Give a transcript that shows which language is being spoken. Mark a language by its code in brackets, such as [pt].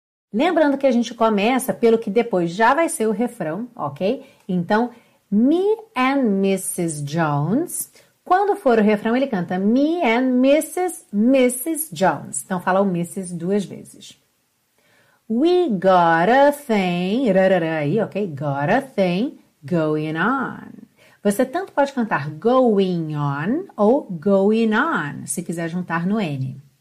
[pt] Lembrando que a gente começa pelo que depois já vai ser o refrão, ok? Então, Me and Mrs. Jones. Quando for o refrão, ele canta Me and Mrs. Jones. Então, fala o Mrs. duas vezes. [en] We got a thing, got a thing going on. [pt] Você tanto pode cantar going on ou going on, se quiser juntar no N.